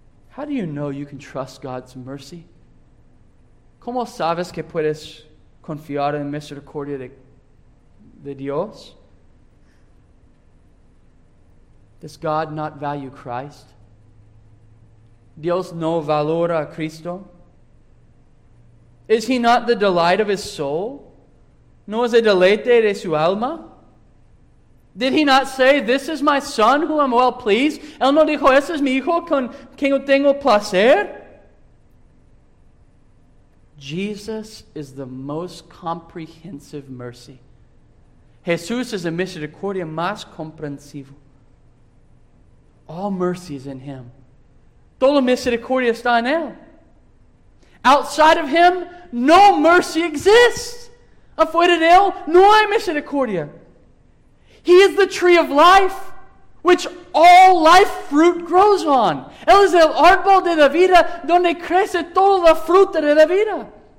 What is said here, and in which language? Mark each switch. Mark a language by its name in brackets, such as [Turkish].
[English] How do you know you can trust God's mercy? [Spanish] ¿Cómo sabes que puedes confiar en misericordia de Dios? [English] Does God not value Christ? [Spanish] ¿Dios no valora a Cristo? [English] Is he not the delight of his soul? [Spanish] ¿No es el deleite de su alma? [English] Did he not say, this is my son who I'm well pleased? [Spanish] ¿Él no dijo, ese es mi hijo con quien tengo placer? [English] Jesus is the most comprehensive mercy. [Spanish] Jesús es el misericordia más comprensivo. [English] All mercy is in him. [Spanish] Toda misericordia está en él. [English] Outside of him, no mercy exists. [Spanish] Afuera de él, no hay misericordia. [English] He is the tree of life, which all life fruit grows on. [Spanish] Él es el árbol de la vida, donde crece toda la fruta de la vida.